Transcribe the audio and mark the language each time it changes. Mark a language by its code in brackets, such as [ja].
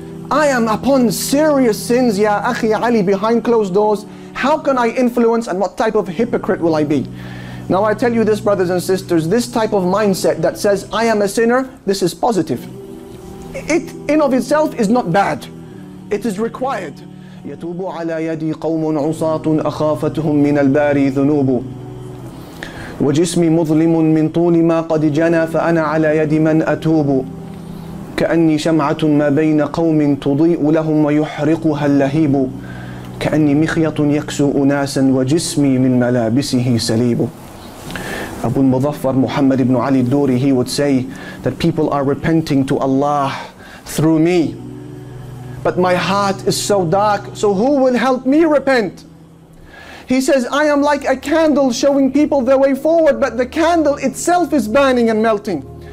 [en] I am upon serious sins, ya akhi Ali, behind closed doors. How can I influence and what type of hypocrite will I be? Now I tell you this, brothers and sisters, this type of mindset that says, I am a sinner, this is positive. It in of itself is not bad. It is required. [ar] يَتُوبُ عَلَى يَدِي قَوْمٌ عُصَاتٌ أَخَافَتْهُمْ مِنَ الْبَارِي ذُنُوبُ وَجِسْمِي مُظْلِمٌ مِنْ طُولِ مَا قَدْ جَنَى فَأَنَا عَلَى يَدِ مَنْ أَتُوبُ كأني شمعة ما بين قوم تضيء لهم ويحرقها اللهيب كأني مخيط يكسو أناسا وجسمي من ملابسه سليب. [en] Abu al-Muzaffar Muhammad ibn Ali al-Duri, he would say that people are repenting to Allah through me, but my heart is so dark, so who will help me repent? He says, I am like a candle showing people the way forward, but the candle itself is burning and melting.